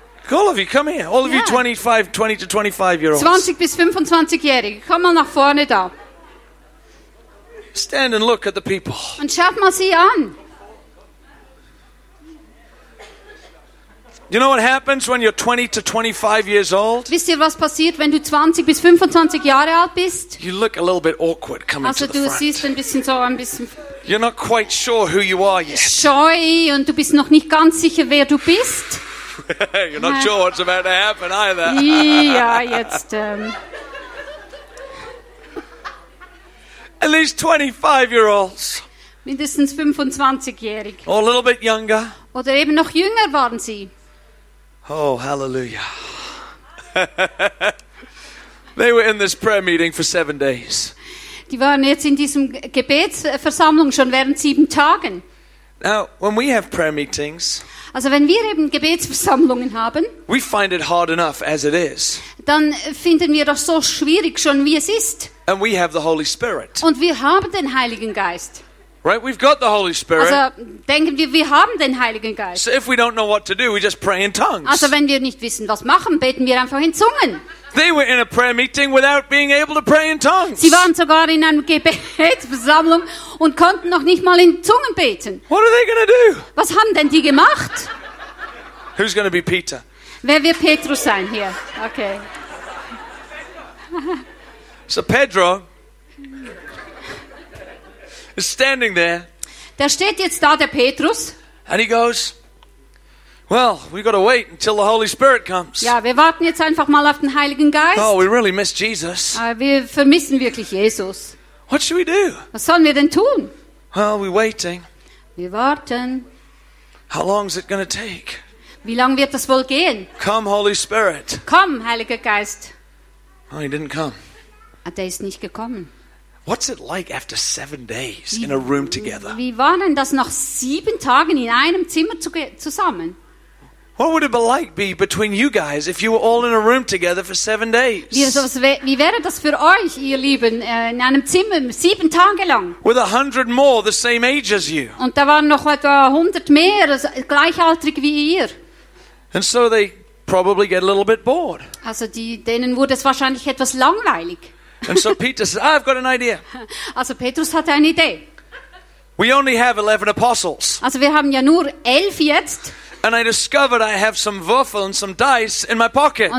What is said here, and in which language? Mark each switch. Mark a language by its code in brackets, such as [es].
[en] All of you, come here. All of you 20 to 25-year-olds. [de] 20 bis 25-Jährige. Komm mal nach vorne da. [en] Stand and look at the people. [de] Und schaut mal sie an. [en] You know what happens when you're 20 to 25 years old? [de] Wisst ihr, was passiert, wenn du 20 bis 25 Jahre alt bist? [en] You look a little bit awkward coming [de] also [en] to the front. [de] Also du siehst ein bisschen so, ein bisschen. [en] You're not quite sure who you are yet. [de] Scheu und du bist noch nicht ganz sicher, wer du bist. [en] You're not sure what's about to happen either. [de] Yeah, jetzt. [en] At least 25-year-olds. [de] Mindestens 25-jährig. [en] Or a little bit younger. [de] Oder eben noch jünger waren sie. [en] Oh, hallelujah. They were in this prayer meeting for 7 days. [de] Die waren jetzt in diesem Gebetsversammlung schon während 7 Tagen. [en] Now, when we have prayer meetings, [de] also wenn wir eben Gebetsversammlungen haben, [en] we find it hard enough as it is. [de] Dann finden wir das so schwierig schon, wie es ist. [en] And we have the Holy Spirit. [de] Und wir haben den Heiligen Geist. [en] Right, we've got the Holy Spirit. [de] Also denken wir haben den Heiligen Geist. [en] So if we don't know what to do, we just pray in tongues. [de] Also wenn wir nicht wissen, was machen, beten wir einfach in Zungen. [en] They were in a prayer meeting without being able to pray in tongues. [de] Sie waren sogar in einer Gebetsversammlung und konnten noch nicht mal in Zungen beten. [en] What are they going to do? [de] Was haben denn die gemacht? [en] Who's going to be Peter? [de] Wer wird Petrus sein hier? Okay. [en] So Pedro is standing there. [de] Der steht jetzt da, der Petrus. [en] And he goes, well, we got to wait until the Holy Spirit comes. [de] Ja, wir warten jetzt einfach mal auf den Heiligen Geist. [en] Oh, we really miss Jesus. [de] Wir vermissen wirklich Jesus. [en] What should we do? [de] Was sollen wir denn tun? [en] Well, we're waiting. [de] Wir warten. [en] How long is it going to take? [de] Wie lange wird das wohl gehen? [en] Come, Holy Spirit. [de] Komm, Heiliger Geist. [en] Oh, he didn't come. [de] Der ist nicht gekommen. [en] What's it like after 7 days in a room together? [de] Wie war denn das nach 7 Tagen in einem Zimmer zusammen? [en] What would it be like be between you guys if you were all in a room together for 7 days? [de] Wie wäre das für euch, ihr Lieben, in einem Zimmer 7 Tage lang? [en] With 100 more the same age as you. [de] Und da waren noch etwa 100 mehr gleichaltrig wie ihr. [en] And so they probably get a little bit bored. [de] Also denen wurde es wahrscheinlich etwas langweilig. [en] And so Peter says, "I've got an idea." [de] Also Petrus hatte eine Idee. [en] We only have 11 apostles. [de] Also wir haben ja nur 11 jetzt. [en] And I discovered I have some Würfel and some dice in my pocket.